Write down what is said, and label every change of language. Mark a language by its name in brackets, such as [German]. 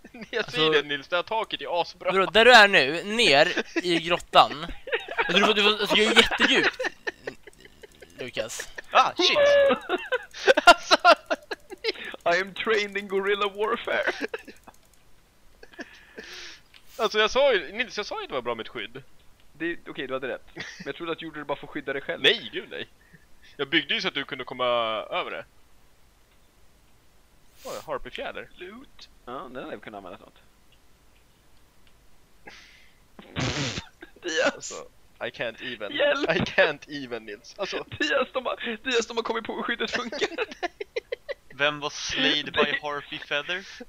[Swedish] Jag ser det, Nils. Det här taket är asbra. Bro, där du är nu, ner i grottan. Alltså, jag är jättedjup. Lukas. [English] Ah, shit! [Swedish] Alltså... [English] I am trained in guerrilla warfare. [Swedish] Alltså, jag sa ju... Nils, jag sa ju att det var bra med skydd. Okej, du hade rätt. Men jag trodde att du gjorde det bara för att skydda dig själv. Nej, gud nej. Jag byggde ju så att du kunde komma över det. Åh, oh, harpyfjäder. [English] Loot. [Swedish] Ja, den hade vi kunnat använda något. Dias! Alltså, [English] I can't even. [Swedish] Hjälp! [English] I can't even, Nils. Alltså, [Swedish] Dias, de har kommit på hur skyddet funkar. Vem var [English] slayed by Harpy Feather?